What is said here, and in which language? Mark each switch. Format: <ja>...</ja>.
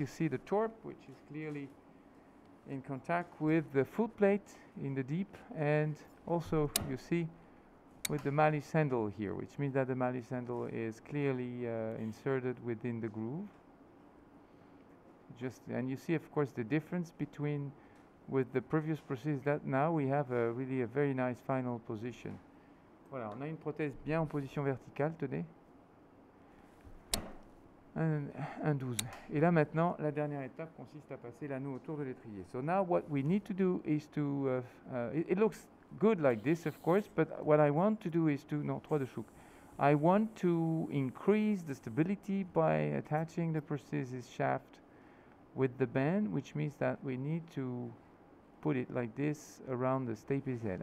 <en>You see the torp, which is clearly in contact with the foot plate in the deep, and also you see with the malleus handle here, which means that the malleus handle is clearly inserted within the groove. And you see, of course, the difference between with the previous prosthesis, that now we have really a very nice final position.</en> <fr>Voilà, on a une prothèse bien en position verticale, tenez. Un 12. Et là maintenant, la dernière étape consiste à passer l'anneau autour de l'étrier.</fr> <en>So now what we need to do is to... it looks good like this, of course, but what I want to do is to...</en> <fr>Non, trois de chouk.</fr> <en>I want to increase the stability by attaching the prosthesis shaft with the band, which means that we need to put it like this around the stapes head.</en>